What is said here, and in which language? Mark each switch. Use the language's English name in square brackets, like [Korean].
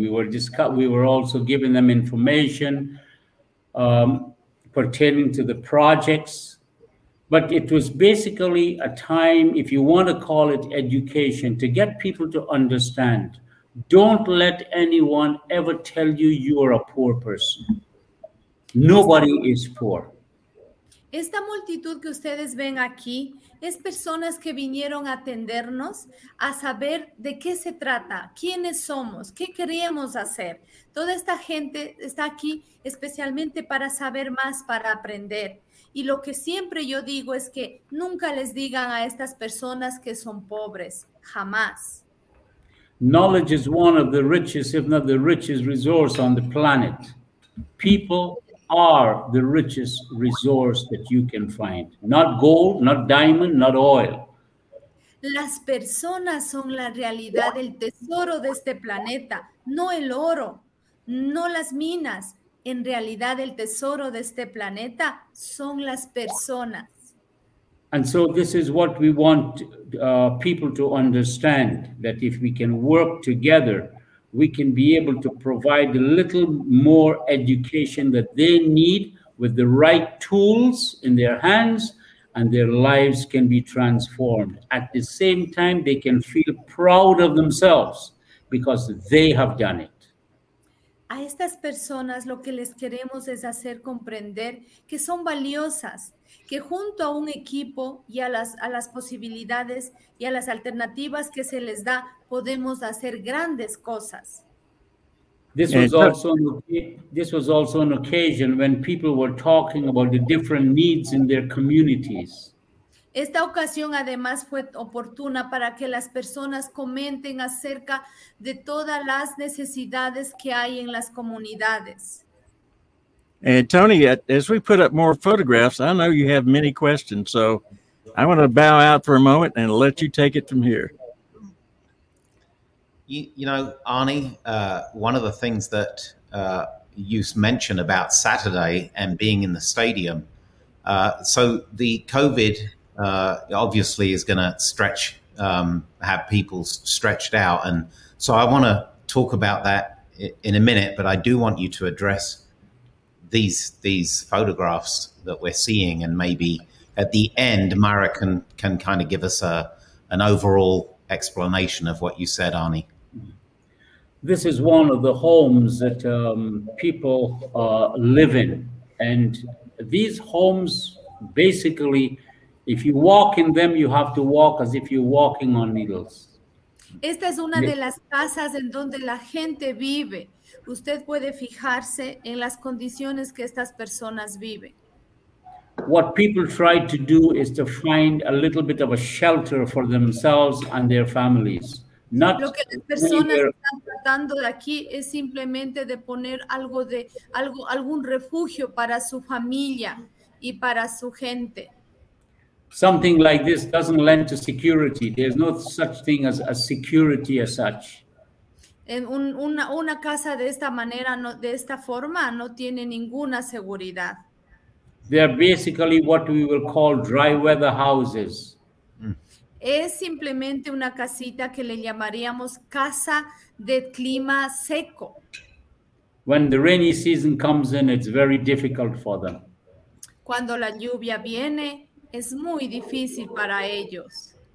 [English] We were also giving them information pertaining to the projects. But it was basically a time, if you want to call it education, to get people to understand. Don't let anyone ever tell you you are a poor person. Nobody is poor. [Spanish] Esta multitud que ustedes ven aquí es personas que vinieron a atendernos a saber de qué se trata, quiénes somos, qué queríamos hacer. Toda esta gente está aquí especialmente para saber más, para aprender. Y lo que siempre yo digo es que nunca les digan a estas personas que son pobres, jamás. [English] Knowledge is one of the richest, if not the richest resource on the planet. People are the richest resource that you can find. Not gold, not diamond, not oil. [Spanish] Las personas son la realidad, el tesoro de este planeta, no el oro, no las minas. En realidad, el tesoro de este planeta son las personas. [English] And so this is what we want people to understand, that if we can work together, we can be able to provide a little more education that they need with the right tools in their hands, and their lives can be transformed. At the same time, they can feel proud of themselves because they have done it. [Spanish] A estas personas lo que les queremos es hacer comprender que son valiosas, que junto a un equipo y a las posibilidades y a las alternativas que se les da, podemos hacer grandes cosas. [English] This was also an occasion when people were talking about the different needs in their communities. [Spanish] Esta ocasión además fue oportuna para que las personas comenten acerca de todas las necesidades que hay en las comunidades. [English] And Tony, as we put up more photographs, I know you have many questions, so I want to bow out for a moment and let you take it from here. You know, Arnie, one of the things that you mentioned about Saturday and being in the stadium, so the COVID obviously is going to stretch, have people stretched out. And so I want to talk about that in a minute, but I do want you to address these photographs that we're seeing, and maybe at the end, Mara can kind of give us an overall explanation of what you said, Arnie. This is one of the homes that people live in. And these homes, basically, if you walk in them, you have to walk as if you're walking on needles. [Spanish] Esta es una de las casas en donde la gente vive. Usted puede fijarse en las condiciones que estas personas viven. [English] What people try to do is to find a little bit of a shelter for themselves and their families. Not [Spanish] lo que las personas están tratando de aquí es simplemente de poner algún refugio para su familia y para su gente. [English] Something like this doesn't lend to security. There's no such thing as a security as such. [Spanish] En una casa de esta manera, no, de esta forma, no tiene ninguna seguridad. [English] They are basically what we will call dry weather houses. [Spanish] Es simplemente una casita que le llamaríamos casa de clima seco. [English] When the rainy season comes in, it's very difficult for them. [Spanish] Cuando la lluvia viene, es muy difícil para ellos.